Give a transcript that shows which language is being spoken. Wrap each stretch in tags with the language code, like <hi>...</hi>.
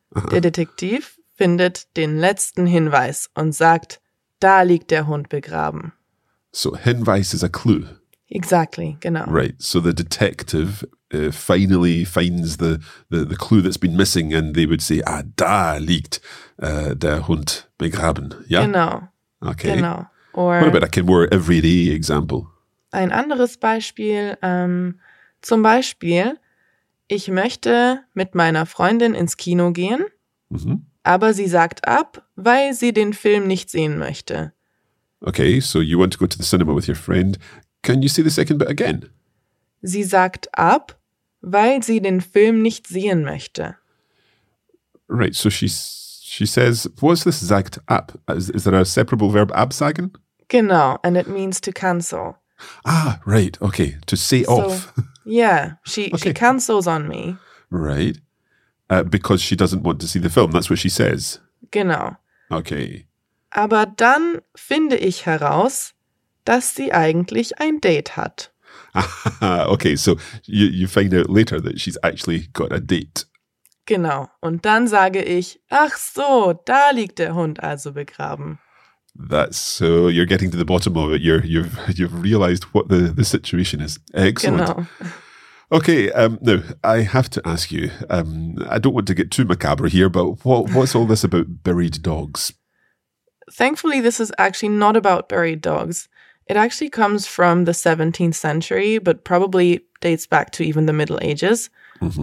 <de>Der Detektiv findet den letzten Hinweis und sagt, da liegt der Hund begraben.</de> <en>So Hinweis is a clue. Exactly,</en> <de>genau.</de> <en>Right, so the detective finally finds the clue that's been missing and they would say, ah,</en> <de>da liegt der Hund begraben.</de> <en>Yeah?</en> <de>Genau.</de> <en>Okay.</en> <de>Genau.</de> <en>Or what about a more everyday example?</en> <de>Ein anderes Beispiel, zum Beispiel, ich möchte mit meiner Freundin ins Kino gehen, aber sie sagt ab, weil sie den Film nicht sehen möchte.</de> <en>Okay, so you want to go to the cinema with your friend. Can you see the second bit again?</en> <de>Sie sagt ab, weil sie den Film nicht sehen möchte.</de> <en>Right, so she says, what's this</en> <de>sagt ab?</de> <en>Is there a separable verb absagen?</en> <de>Genau,</de> <en>and it means to cancel. Ah, right, okay, to say so, off. Yeah, she cancels on me. Right. because she doesn't want to see the film. That's what she says.</en> <de>Genau.</de> <en>Okay.</en> <de>Aber dann finde ich heraus, dass sie eigentlich ein Date hat.</de> <en>Okay, so you find out later that she's actually got a date.</en> <de>Genau. Und dann sage ich, ach so, da liegt der Hund also begraben.</de> <en>That's so you're getting to the bottom of it. You've realized what the situation is. Excellent.</en> <de>Genau.</de> <en>Okay, now I have to ask you, I don't want to get too macabre here, but what's all this about buried dogs? Thankfully, this is actually not about buried dogs. It actually comes from the 17th century, but probably dates back to even the Middle Ages. Mm-hmm.</en>